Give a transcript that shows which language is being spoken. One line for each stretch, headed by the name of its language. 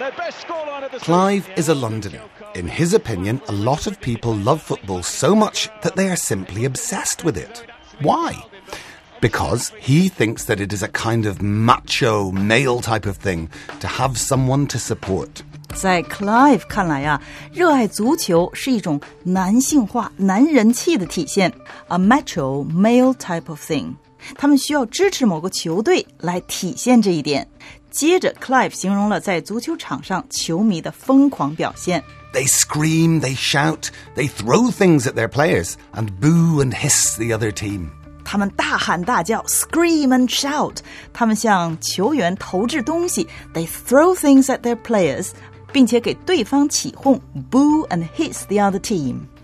English: Their best scoreline at the... Clive is a Londoner. In his opinion, a lot of people love football so much that they are simply obsessed with it. Why? Because he thinks that it is a kind of macho, male type of thing to have someone to support.
Chinese: 在 Clive 看来啊，热爱足球是一种男性化、男人气的体现。
English: A macho, male type of thing.
Chinese: 他们需要支持某个球队来体现这一点。接着 Clive 形容了在足球场上球迷的疯狂表现。
English: They scream, they shout, they throw things at their players and boo and hiss the other team.
Chinese: 他们大喊大叫
English: scream and shout.
Chinese: 他们向球员投掷东西
English: they throw things at their players,
Chinese: 并且给对方起哄
English: boo and hiss the other team.